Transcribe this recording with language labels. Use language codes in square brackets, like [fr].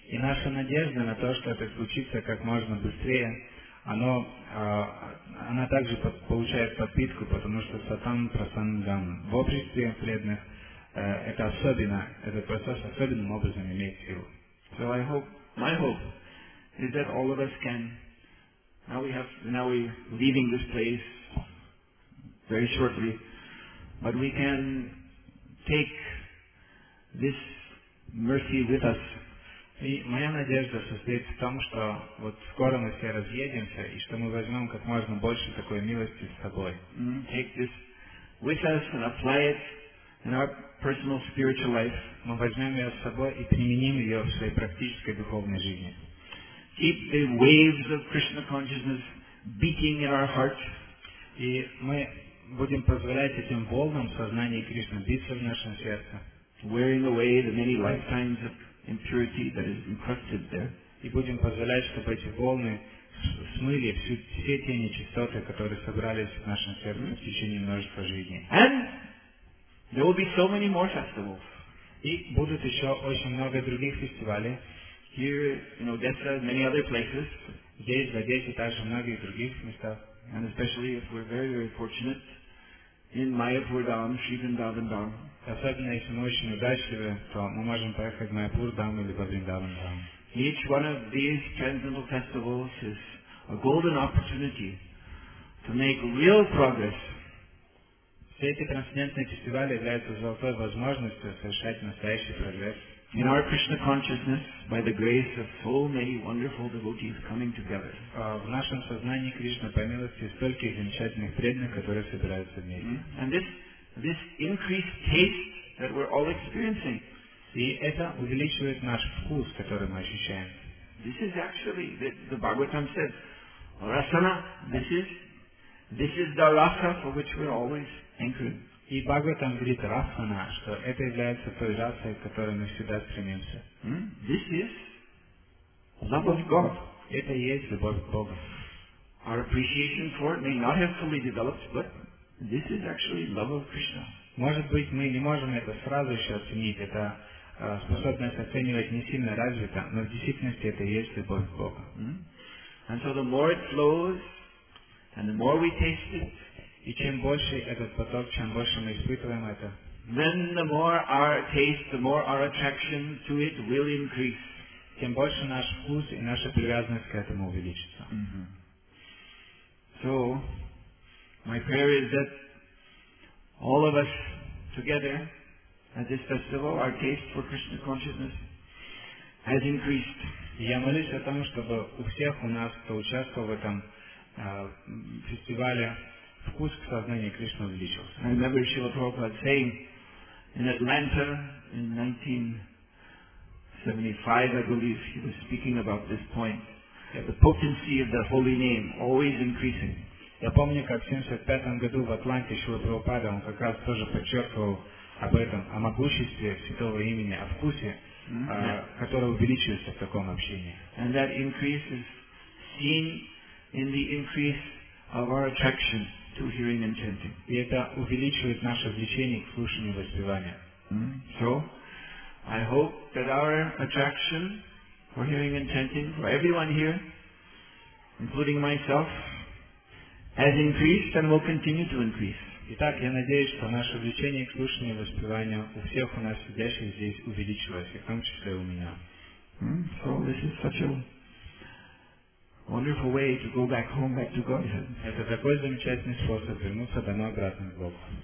[ru] И наша надежда на то, что это случится как можно быстрее, она также получает подпитку, потому что сатан прасангам в обществе преданных, этот процесс особенным образом имеет силу. [en] So I hope, my hope is that all of us can, now we're leaving this place very shortly, but we can take this mercy with us. [ru] И моя надежда состоит в том, что вот скоро мы все разъедемся, и что мы возьмем как можно больше такой милости с собой. [en] Take this with us and apply it in our personal spiritual life. [ru] Мы возьмем ее с собой и применим ее в своей практической духовной жизни. [en] Keep the waves of Krishna consciousness beating in our hearts. [ru] И мы будем позволять этим волнам сознания Кришны биться в нашем сердце. [en] Wearing away the many lifetimes of impurity that is encrusted there. [ru] И будем позволять, чтобы эти волны смыли все те нечистоты, которые собрались в нашем сердце в течение множества жизней. [en] And there will be so many more festivals. [ru] И будут еще очень много других фестивалей. [en] Here in Odessa and many other places. [ru] Здесь, в Одессе, также многих других местах. [en] And especially if we're very, very fortunate in Mayapur Dham, Sri Vrindavan Dham. [ru] Особенно если мы очень удачливы, то мы можем поехать в Майяпур Дам или во Вриндаван Дам. [en] Each one of these transcendental festivals is a golden opportunity to make real progress [ru] Эти трансцендентные фестивали являются золотой возможностью совершать настоящий прогресс. [en] In our Krishna consciousness, by the grace of so many wonderful devotees coming together. [ru] В нашем сознании Кришна по милости стольких замечательных преданных, которые собираются вместе. [en] And this increased taste that we're all experiencing. [ru] И это увеличивает наш вкус, который мы ощущаем. [en] This is actually the Bhagavatam says, rasana. This is the rasa for which we're always hankering. [ru] И Бхагаватам говорит Расхана, что это является той расой, к которой мы всегда стремимся. [en] This is love of God. [ru] Это и есть любовь к Богу. [en] Our appreciation for it may not have fully developed, but this is actually love of Krishna. [ru] Может быть, мы не можем это сразу еще оценить, это способность оценивать не сильно развита, но в действительности это и есть любовь к Богу. [en] And so the more it flows, and the more we taste it, [ru] и чем больше этот поток, чем больше мы испытываем это, [en] then the more our taste, the more our attraction to it will increase. [ru] Тем больше наш вкус и наша привязанность к этому увеличится. [en] So, my prayer is that all of us together at this festival, our taste for Krishna consciousness has increased. [ru] Я молюсь о том, чтобы у всех у нас, кто участвовал в этом фестивале, вкус к сознанию Кришны увеличился. [en] I remember Srila Prabhupada saying in Atlanta in 1975, I believe, he was speaking about this point, that the potency of the holy name always increasing. [ru] Я помню, как в 1975 году в Атланте Шрила Прабхупада, он как раз тоже подчеркивал об этом, о могуществе святого имени, о вкусе, которое увеличивается в таком общении. [en] And that increase is seen in the increase of our attraction to hearing and chanting. [ru] И это увеличивает наше влечение к слушанию и воспеванию. [en] So, I hope that our attraction for hearing and chanting for everyone here, including myself, has increased and will continue to increase. [ru] Итак, я надеюсь, что наше влечение к слушанию и воспеванию у всех у нас сидящих здесь увеличилось, и в том числе у меня. [en] So, this is such a wonderful way to go back home, back to Godhead. [ru] Это такой замечательный способ вернуться домой обратно к Богу.